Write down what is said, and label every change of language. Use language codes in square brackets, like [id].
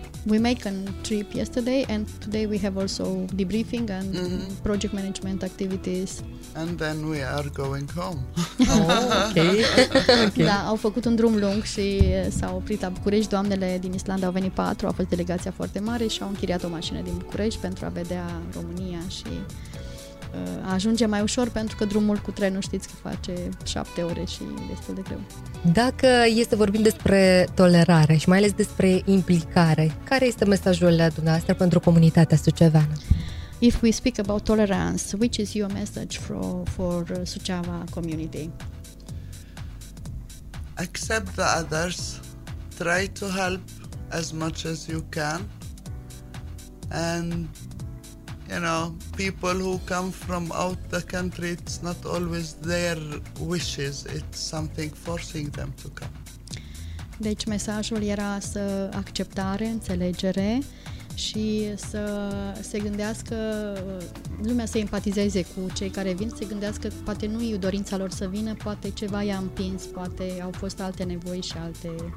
[en] We make a trip yesterday and today we have also debriefing and project management activities. And then we are going home. Okay. [ro] Da, au făcut un drum lung și s-au oprit la București. Doamnele din Islanda au venit 4, a fost delegația foarte mare și au închiriat o mașină din București pentru a vedea România și ajunge mai ușor, pentru că drumul cu trenul știți că face 7 ore și e destul de greu. Dacă este vorbim despre tolerare și mai ales despre implicare, care este mesajul dumneavoastră pentru comunitatea suceveană? [en] If we speak about tolerance, which is your message for Suceava community? Accept the others, try to help as much as you can and you know, people who come from out the country, it's not always their wishes, it's something forcing them to come. [ro] Deci mesajul era să acceptare, înțelegere și să se gândească, lumea să empatizeze cu cei care vin, să gândească că poate nu e dorința lor să vină, poate ceva i-a împins, poate au fost alte nevoi și alte...